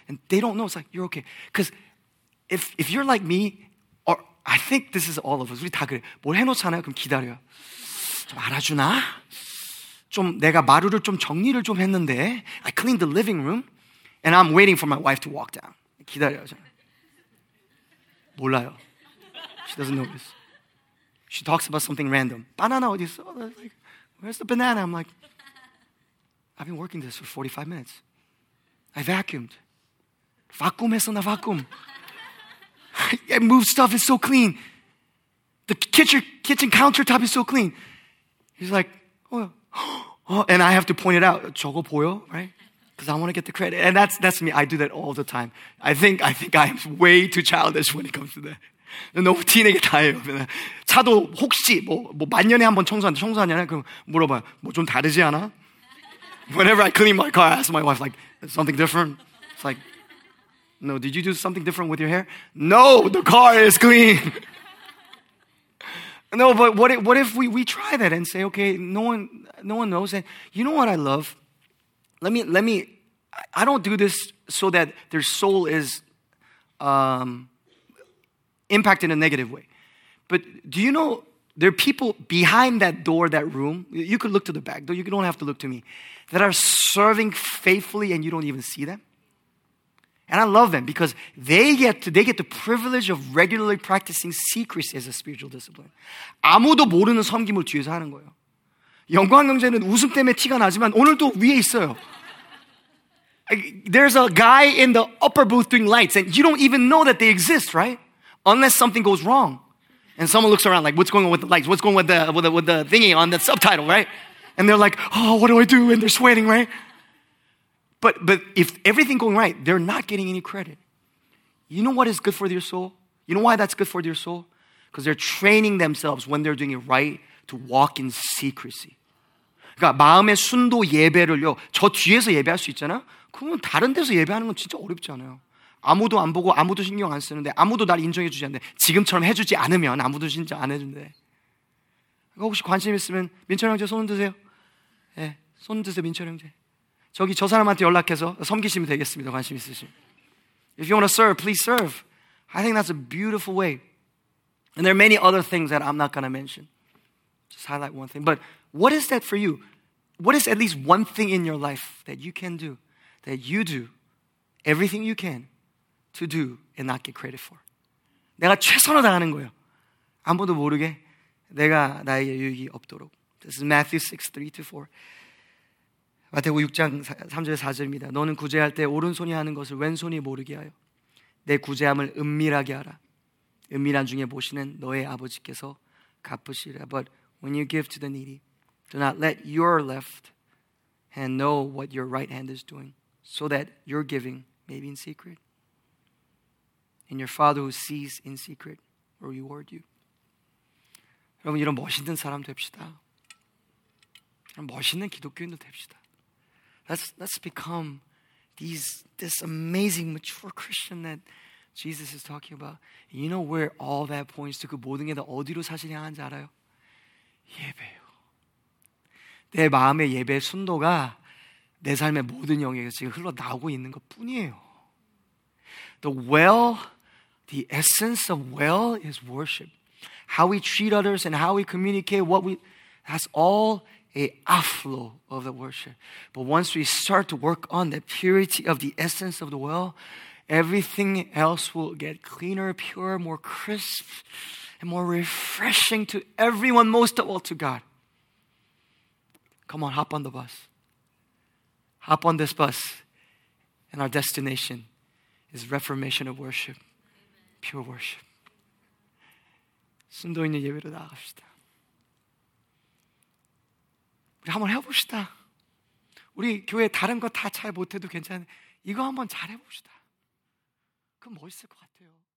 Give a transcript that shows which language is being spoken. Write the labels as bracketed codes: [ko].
[en] And they don't know. It's like, you're okay. Because if you're like me, or I think this is all of us. [ko] 우리 다 그래. 뭘 해놓잖아요. 그럼 기다려. 좀 알아주나? 좀 내가 마루를 좀 정리를 좀 했는데. [en] I cleaned the living room. And I'm waiting for my wife to walk down. [ko] 기다려. 몰라요. [en] She doesn't know this. She talks about something random. [ko] 바나나 어디 있어? [en] Like, where's the banana? I'm like, I've been working this for 45 minutes. I vacuumed. [ko] Vacuum 했어, 나 vacuum. [en] I moved stuff, it's so clean. The kitchen countertop is so clean. He's like, oh. And I have to point it out. [ko] 저거 보여, [en] right? Because I want to get the credit. And that's me. I do that all the time. I think I'm way too childish when it comes to that. [ko] 너무 티내게 다해요. 차도 혹시 뭐 만년에 한번 청소하냐? 그럼 물어봐요. 뭐 좀 다르지 않아? [en] Whenever I clean my car, I ask my wife, like, something different? It's like, no, did you do something different with your hair? No, the car is clean. No, but what if we try that and say, okay, no one knows. And you know what I love? I don't do this so that their soul is impacted in a negative way. But do you know there are people behind that door, that room? You could look to the back, though. You don't have to look to me. That are serving faithfully and you don't even see them. And I love them because they get the privilege of regularly practicing secrecy as a spiritual discipline. [ko] 아무도 모르는 섬김을 뒤에서 하는 거예요. 영광 형제는 웃음 때문에 티가 나지만 오늘도 위에 있어요. [en] There's a guy in the upper booth doing lights and you don't even know that they exist, right? Unless something goes wrong. And someone looks around like, what's going on with the lights? What's going on with the thingy on the subtitle, right? And they're like, oh, what do I do? And they're sweating, right? But if everything going right, they're not getting any credit. You know what is good for their soul? You know why that's good for their soul? Because they're training themselves when they're doing it right to walk in secrecy. [ko] 그러니까 마음의 순도 예배를요. 저 뒤에서 예배할 수 있잖아? 그러면 다른 데서 예배하는 건 진짜 어렵지 않아요. 아무도 안 보고 아무도 신경 안 쓰는데 아무도 날 인정해 주지 않는데 지금처럼 해주지 않으면 아무도 진짜 안 해준대. 혹시 관심 있으면 민철 형제 손 드세요. 네, 손 드세요, 민철 형제. 저기 저 사람한테 연락해서 섬기시면 되겠습니다. 관심 있으시면. [en] If you want to serve, please serve. I think that's a beautiful way. And there are many other things that I'm not going to mention. Just highlight one thing. But what is that for you? What is at least one thing in your life that you can do, that you do everything you can to do and not get credit for? [ko] 내가 최선을 다하는 거예요. 아무도 모르게. 내가 나에게 유익이 없도록. [en] This is Matthew 6:3-4. [ko] 마태복음 6장 3절 4절입니다. 너는 구제할 때 오른손이 하는 것을 왼손이 모르게 하여 내 구제함을 은밀하게 하라. 은밀한 중에 보시는 너의 아버지께서 갚으시리라. [en] But when you give to the needy, do not let your left hand know what your right hand is doing, so that your giving may be in secret. And your Father who sees in secret will reward you. [ko] 여러분 이런 멋있는 사람 됩시다. 이런 멋있는 기독교인도 됩시다. [en] Let's become this amazing mature Christian that Jesus is talking about. You know where all that points to? [ko] 그 모든 게 다 어디로 사실 향하는지 알아요? 예배요. 내 마음의 예배 순도가 내 삶의 모든 영역에서 지금 흘러나오고 있는 것뿐이에요. [en] The essence of well is worship. How we treat others and how we communicate, that's all a outflow of the worship. But once we start to work on the purity of the essence of the well, Everything else will get cleaner, purer, more crisp, and more refreshing to everyone, most of all to God. Come on, hop on the bus. Hop on this bus, and our destination is reformation of worship, pure worship. [ko] 순도 있는 예배로 나갑시다. 우리 한번 해봅시다. 우리 교회 다른 거 다 잘 못해도 괜찮은데 이거 한번 잘해봅시다. 그럼 멋있을 것 같아요.